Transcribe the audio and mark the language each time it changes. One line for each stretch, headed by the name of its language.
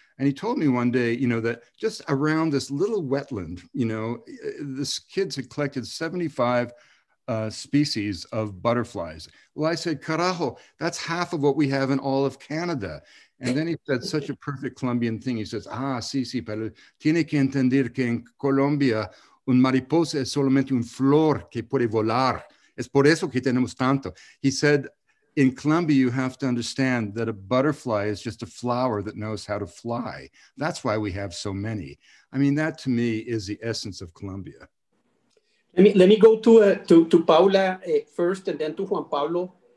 English: And he told me one day, you know, that just around this little wetland, you know, this kids had collected 75 species of butterflies. Well, I said, carajo, that's half of what we have in all of Canada. And then he said such a perfect Colombian thing. He says,
Spanish: ah, sí, pero tiene que entender que en Colombia un mariposa es solamente un flor que puede volar. Es por eso que tenemos tanto.
English: He said, in Colombia, you have to understand that a butterfly is just a flower that knows how to fly. That's why we have so many. I mean, that to me is the essence of Colombia. Let me go to Paula first and then to Juan Pablo.